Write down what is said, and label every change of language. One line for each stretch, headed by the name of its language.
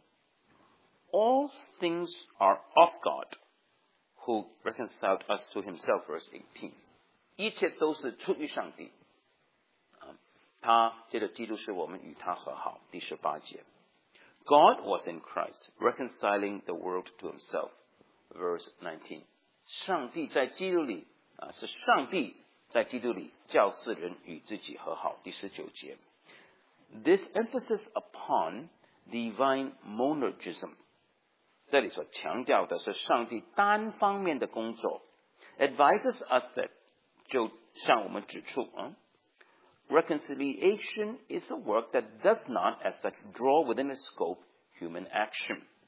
Chinese: 复合是由上帝开始的工作，是由上帝成就的工作。All
English: things are of God. Who reconciled us to himself, verse 18.
Chinese: 一切都是出于上帝。他借着基督使我们与他和好。第十八节。God
English: was in Christ, reconciling the world to himself, verse 19.
Chinese: 上帝在基督里，是上帝在基督里叫世人与自己和好。第十九节。This
English: emphasis upon divine monergism.
Chinese: 这里所强调的是上帝单方面的工作。
English: Advises us that,
Chinese: 就向我们指出，reconciliation
English: is a work that does not as such draw within the scope human action.